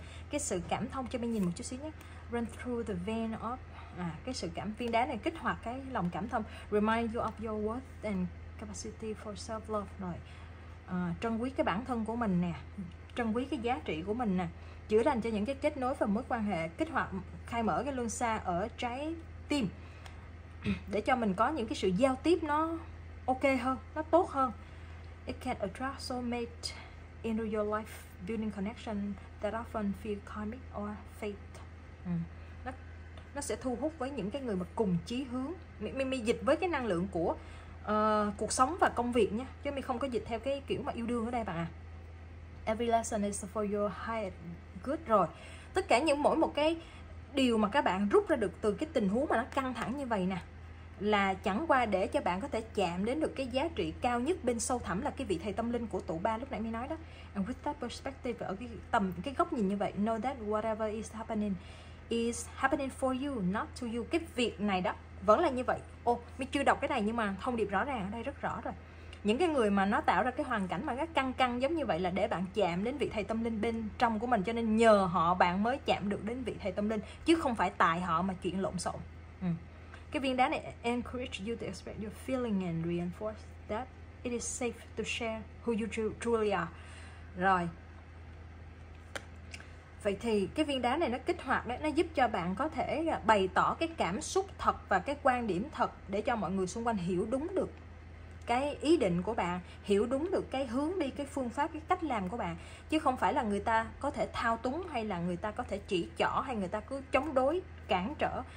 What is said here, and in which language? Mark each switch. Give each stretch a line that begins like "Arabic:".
Vietnamese: Cái sự cảm thông, cho mình nhìn một chút xíu nhé.
English: Run through the vein of
Vietnamese: cái sự cảm, viên đá này kích hoạt cái lòng cảm thông,
English: remind you of your worth and capacity for self love.
Vietnamese: Rồi trân quý cái bản thân của mình nè, trân quý cái giá trị của mình nè, chữa lành cho những cái kết nối và mối quan hệ, kích hoạt khai mở cái luân xa ở trái tim để cho mình có những cái sự giao tiếp nó ok hơn, nó tốt hơn.
English: It can attract soulmate into your life, building connection that often feel karmic or fate.
Vietnamese: Nó sẽ thu hút với những cái người mà cùng chí hướng. Mi dịch với cái năng lượng của cuộc sống và công việc nha, chứ mi không có dịch theo cái kiểu mà yêu đương ở đây bạn ạ.
English: Every lesson is for your higher good.
Vietnamese: Rồi tất cả những mỗi một cái điều mà các bạn rút ra được từ cái tình huống mà nó căng thẳng như vậy nè, là chẳng qua để cho bạn có thể chạm đến được cái giá trị cao nhất bên sâu thẳm, là cái vị thầy tâm linh của tụ ba lúc nãy mi nói đó.
English: And with that perspective,
Vietnamese: ở cái tầm, cái góc nhìn như vậy,
English: know that whatever is happening for you, not to you.
Vietnamese: Cái việc này đó vẫn là như vậy. Ô, mi chưa đọc cái này nhưng mà thông điệp rõ ràng ở đây rất rõ rồi. Những cái người mà nó tạo ra cái hoàn cảnh mà nó căng căng giống như vậy là để bạn chạm đến vị thầy tâm linh bên trong của mình, cho nên nhờ họ bạn mới chạm được đến vị thầy tâm linh, chứ không phải tại họ mà chuyện lộn xộn. Cái viên đá này
English: encourage you to express your feeling and reinforce that it is safe to share who you truly are.
Vietnamese: Rồi vậy thì cái viên đá này nó kích hoạt đấy, nó giúp cho bạn có thể bày tỏ cái cảm xúc thật và cái quan điểm thật để cho mọi người xung quanh hiểu đúng được cái ý định của bạn, hiểu đúng được cái hướng đi, cái phương pháp, cái cách làm của bạn, chứ không phải là người ta có thể thao túng, hay là người ta có thể chỉ trỏ, hay người ta cứ chống đối, cản trở.